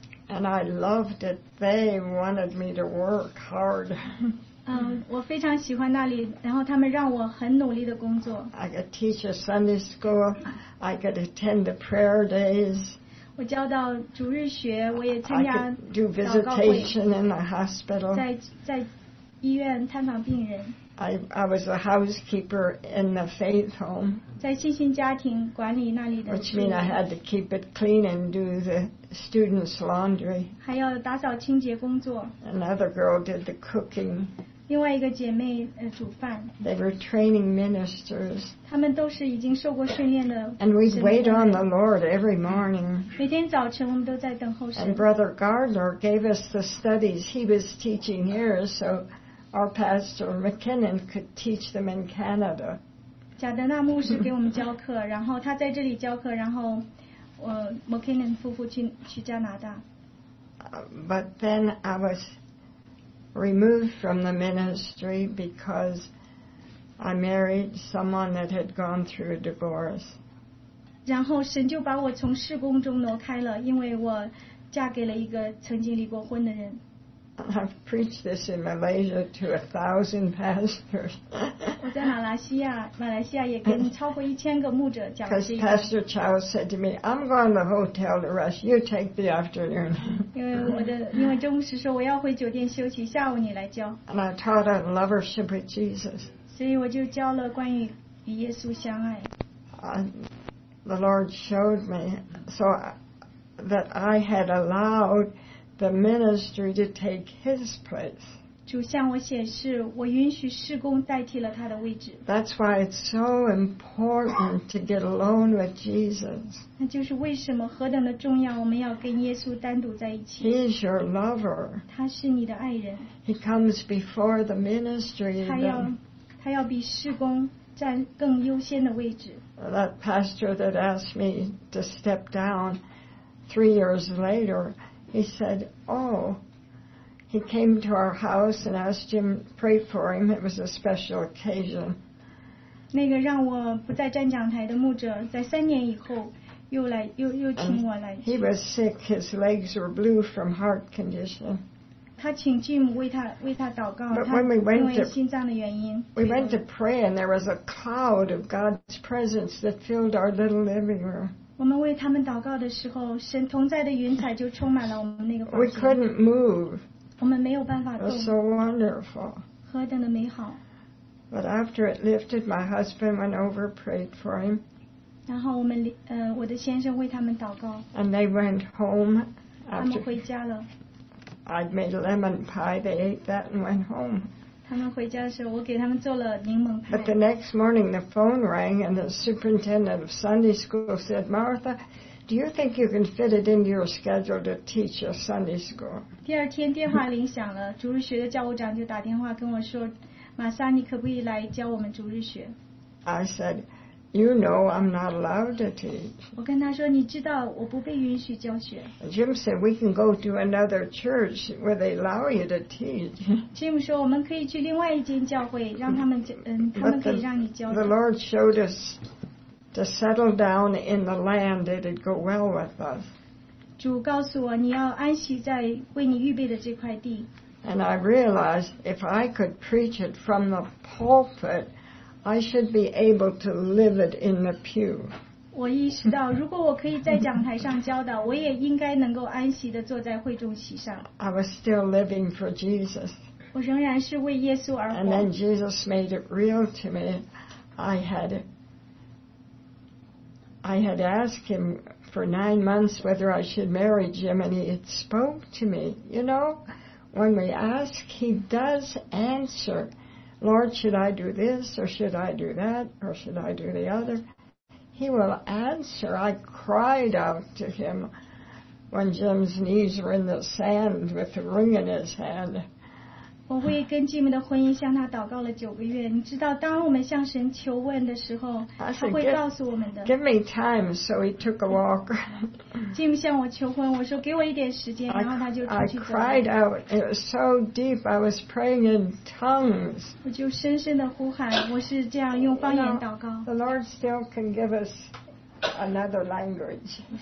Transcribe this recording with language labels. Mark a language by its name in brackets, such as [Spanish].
[English] And I loved it. They wanted me to work hard. [Chinese] 我非常喜欢那里，然后他们让我很努力的工作。 [English] I could teach a Sunday school. I could attend the prayer days. [Chinese] 我教导主日学，我也参加祷告会。 [English] I could do visitation in the hospital. [Chinese] 在医院探访病人。 [English] I was a housekeeper in the faith home. [Chinese] 在信心家庭管理那里的。 [English] Which means I had to keep it clean and do the students' laundry. [Chinese] 还要打扫清洁工作。 [English] Another girl did the cooking. [Chinese] 另外一个姐妹煮饭。 [English] They were training ministers. [Chinese] 他们都是已经受过训练的。 [English] And we'd wait on the Lord every morning. [Chinese] 每天早晨我们都在等候神。 [English] And Brother Gardner gave us the studies he was teaching here, so our pastor McKinnon could teach them in Canada. [Chinese] 贾德纳牧师给我们教课，然后他在这里教课，然后我 McKinnon 夫妇去加拿大。 [English] But then I was removed from the ministry because I married someone that had gone through a divorce. [Chinese] 然后神就把我从事工中挪开了，因为我嫁给了一个曾经离过婚的人。 [English] I've preached this in Malaysia to 1,000 pastors. [Chinese] 我在马来西亚也跟超过一千个牧者讲。 [English] Because Pastor Charles said to me, "I'm going to the hotel to rest. You take the afternoon." [Chinese] 因为周牧师说我要回酒店休息，下午你来教。 [English] And I taught on lovership with Jesus. [Chinese] 所以我就教了关于与耶稣相爱。 [English] The Lord showed me so that I had allowed the ministry to take his place. [Chinese] 主向我显示，我允许事工代替了他的位置。 [English] That's why it's so important to get alone with Jesus. [Chinese] 那就是为什么何等的重要，我们要跟耶稣单独在一起。 [English] He is your lover. [Chinese] 他是你的爱人。 [English] He comes before the ministry. [Chinese] 他要比事工占更优先的位置。 [English] That pastor that asked me to step down 3 years later. He said, oh, he came to our house and asked him, pray for him. It was a special occasion. [Chinese] 那个让我不再站讲台的牧者在三年以后又请我来。 [English] He was sick. His legs were blue from heart condition. [Chinese] 他请 Jim 为他祷告，他因为心脏的原因。 [English] We went to pray and there was a cloud of God's presence that filled our little living room. [Chinese] 我们为他们祷告的时候，神同在的云彩就充满了我们那个房间。 [English] We couldn't move. [Chinese] 我们没有办法动。 [English] It was so wonderful. [Chinese] 何等的美好。 [English] But after it lifted, my husband went over, prayed for him. [Chinese] 然后我们我的先生为他们祷告。 [English] And they went home. [Chinese] 他们回家了。 [English] I'd made lemon pie. They ate that and went home. [Chinese] 他们回家的时候，我给他们做了柠檬派。 [English] But the next morning, the phone rang, and the superintendent of Sunday school said, "Martha, do you think you can fit it into your schedule to teach a Sunday school?" [Chinese] 第二天电话铃响了，主日学的教务长就打电话跟我说，玛莎，你可不可以来教我们主日学 [English] ？I said, "You know, I'm not allowed to teach." [Chinese] 我跟他说，你知道我不被允许教学。 [English] Jim said, "We can go to another church where they allow you to teach." [Chinese] Jim 说，我们可以去另外一间教会，让他们他们可以让你教。 [English] The Lord showed us to settle down in the land; it'd go well with us. [Chinese] 主告诉我，你要安息在为你预备的这块地。 [English] And I realized if I could preach it from the pulpit. I should be able to live it in the pew. [Chinese] 我意识到，如果我可以在讲台上教导，我也应该能够安息地坐在会众席上。 [English] I was still living for Jesus. [Chinese] 我仍然是为耶稣而活。 [English] And then Jesus made it real to me. I had asked him for 9 months whether I should marry Jim, and he had spoke to me. You know, when we ask, he does answer. Lord, should I do this, or should I do that, or should I do the other? He will answer. I cried out to him when Jim's knees were in the sand with the ring in his hand. [Chinese] 我会跟Jim的婚姻向他祷告了9个月。你知道当我们向神求问的时候, 他会告诉我们的。 [English] Give me time, so he took a walk. [Chinese] Jim向我求婚, 我说给我一点时间, 然后他就出去走了。 [English] I cried out, it was so deep, I was praying in tongues. [Chinese] 我就深深地呼喊, 我是这样用方言祷告。 [English] The Lord still can give us another language.